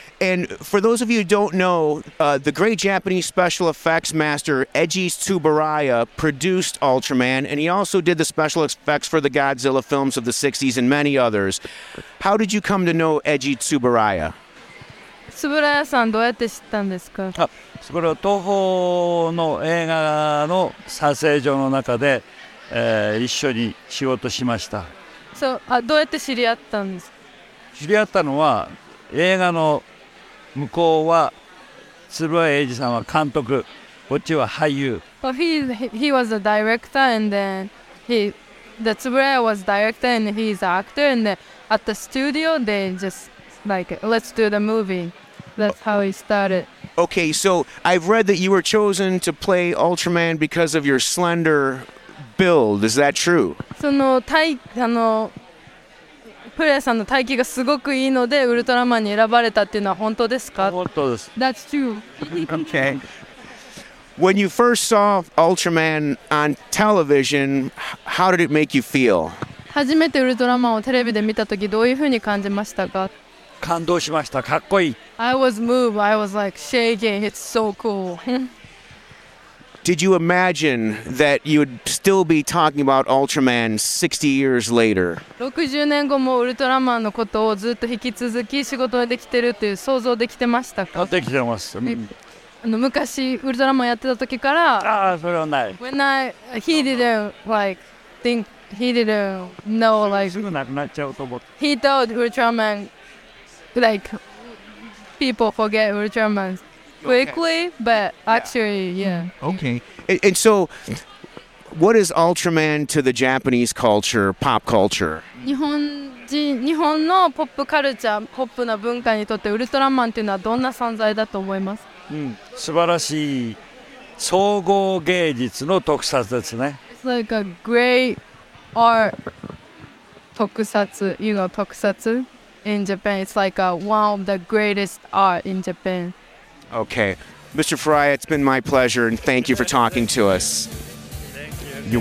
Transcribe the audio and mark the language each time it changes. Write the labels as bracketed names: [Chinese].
[English] And for those of you who don't know, the great Japanese special effects master, Eiji Tsuburaya, produced Ultraman, and he also did the special effects for the Godzilla films of the 60s and many others. How did you come to know Eiji Tsuburaya? [Japanese] Tsuburaya-san, どうやって知ったんですか? それは東宝の映画の撮影所の中で、一緒に仕事しました。そう、あ、どうやって知り合ったんですか? 知り合ったのは、映画の向こうは、Tsuburaya Eiji さんは監督、こっちは俳優。 [English] Well, he was a director and then Tsuburaya was director and he's an actor and then at the studio they just... Like, let's do the movie. That's how he started. Okay, so I've read that you were chosen to play Ultraman because of your slender build. Is that true? [Japanese] その体、あの、プレイさんの体型がすごくいいので、ウルトラマンに選ばれたっていうのは本当ですか? 本当です。 [English] That's true. Okay. When you first saw Ultraman on television, how did it make you feel? [Japanese] 初めてウルトラマンをテレビで見たときどういうふうに感じましたか？感動しました。かっこいい。 [English] I was moved. I was like shaking. It's so cool. Did you imagine that you'd still be talking about Ultraman 60 years later? [Japanese] 60年後もウルトラマンのことをずっと引き続き仕事ができてるっていう想像できてましたか？できてます。昔ウルトラマンやってた時から、ああそれはない。 [English] When I he didn't like think he didn't know like [Japanese] すぐなくなっちゃうと思って。 [English] He told Ultraman like people forget Ultraman quickly, but actually yeah. Okay. And so, what is Ultraman to the Japanese culture, pop culture? [Japanese] 日本のポップカルチャー、ポップな文化にとってウルトラマンっていうのはどんな存在だと思います？素晴らしい総合芸術の特撮ですね。 [English] It's like a great art 特撮、you know, 特撮 in Japan. It's like one of the greatest art in Japan. Okay. Mr. Furuya, it's been my pleasure and thank you for talking to us. Thank you.